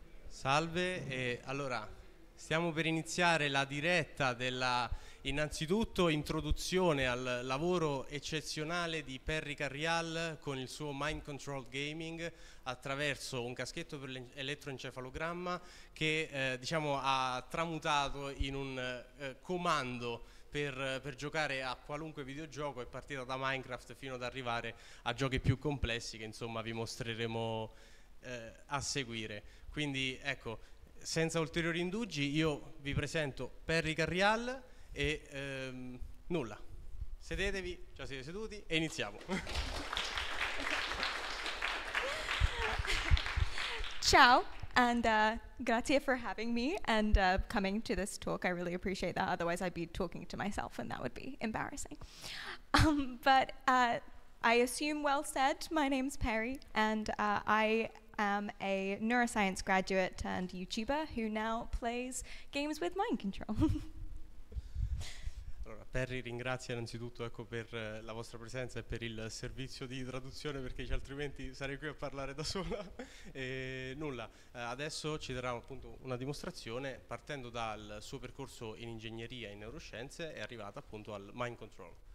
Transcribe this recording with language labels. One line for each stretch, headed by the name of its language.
Italian: Salve, allora stiamo per iniziare la diretta della innanzitutto introduzione al lavoro eccezionale di Perry Carrial con il suo Mind Control Gaming attraverso un caschetto per l'elettroencefalogramma che diciamo, ha tramutato in un comando per giocare a qualunque videogioco, è partita da Minecraft fino ad arrivare a giochi più complessi che insomma vi mostreremo a seguire. Quindi ecco, senza ulteriori indugi io vi presento Perry Carrial. E nulla, sedetevi, già siete seduti e iniziamo.
English: Ciao, and grazie for having me and coming to this talk. I really appreciate that, otherwise I'd be talking to myself and that would be embarrassing. I assume well said, my name's Perry and I am a neuroscience graduate and YouTuber who now plays games with mind control.
Italian: Perry, ringrazio innanzitutto, ecco, per la vostra presenza e per il servizio di traduzione, perché altrimenti sarei qui a parlare da sola. E nulla, adesso ci darà appunto una dimostrazione partendo dal suo percorso in ingegneria e in neuroscienze, è arrivata appunto al Mind Control.